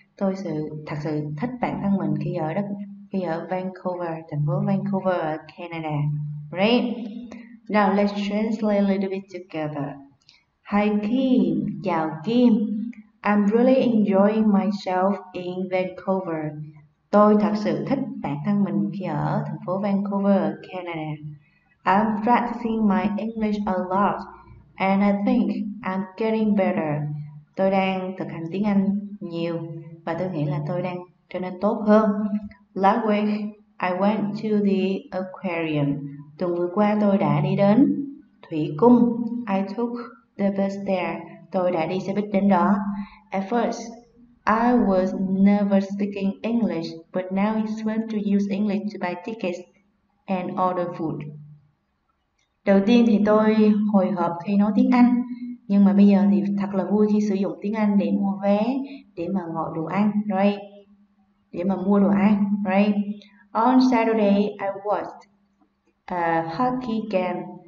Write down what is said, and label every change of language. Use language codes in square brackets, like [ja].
[vi] Tôi thật sự thích bản thân mình khi ở Vancouver, thành phố Vancouver ở Canada, right? [en] Now let's translate a little bit together. Hi Kim, [vi] chào Kim. [en] I'm really enjoying myself in Vancouver. [vi] Tôi thật sự thích bản thân mình khi ở thành phố Vancouver, Canada. [en] I'm practicing my English a lot, and I think I'm getting better. [vi] Tôi đang thực hành tiếng Anh nhiều, và tôi nghĩ là tôi đang trở nên tốt hơn. [en] Last week, I went to the aquarium. [vi] Tuần vừa qua tôi đã đi đến thủy cung. [en] I took the bus there. [vi] Tôi đã đi xe buýt đến đó. [en] At first, I was never speaking English, but now it's fun to use English to buy tickets and order food. [vi] Đầu tiên thì tôi hồi hộp khi nói tiếng Anh, nhưng mà bây giờ thì thật là vui khi sử dụng tiếng Anh để mua vé, để mà gọi đồ ăn, right? Để mà mua đồ ăn, [en] right? On Saturday, I watched a hockey game.